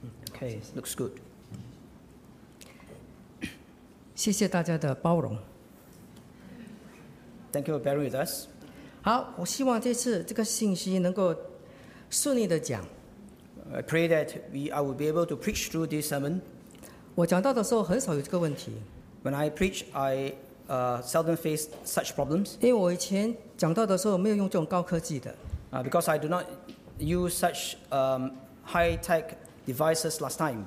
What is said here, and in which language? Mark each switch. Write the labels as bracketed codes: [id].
[en] Okay, looks good. [zh] 谢谢大家的包容。 [en] Thank you for bearing with us. [zh] 好，我希望这次这个信息能够顺利的讲。 [en] I pray that I will be able to preach through this sermon. [zh] 我讲到的时候很少有这个问题。 [en] When I preach, I seldom face such problems. [zh] 因为我以前讲到的时候没有用这种高科技的。 [en] Because I do not use such high-tech devices last time.